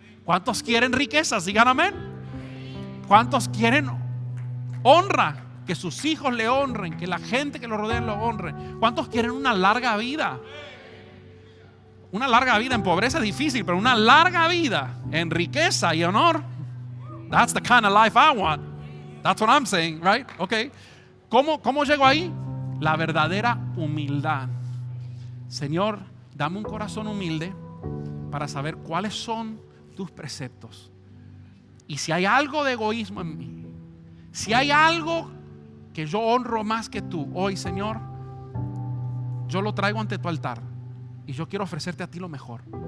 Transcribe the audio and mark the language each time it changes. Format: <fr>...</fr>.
<es>¿Cuántos quieren riquezas? Digan amén. ¿Cuántos quieren honra? Que sus hijos le honren, que la gente que lo rodea lo honre. ¿Cuántos quieren una larga vida? Una larga vida en pobreza es difícil, pero una larga vida en riqueza y honor.</es> <en>That's the kind of life I want. That's what I'm saying, right?</en> <es>Okay. ¿Cómo llego ahí? La verdadera humildad. Señor, dame un corazón humilde para saber cuáles son tus preceptos. Y si hay algo de egoísmo en mí, si hay algo que yo honro más que tú hoy, Señor, yo lo traigo ante tu altar y yo quiero ofrecerte a ti lo mejor.</es>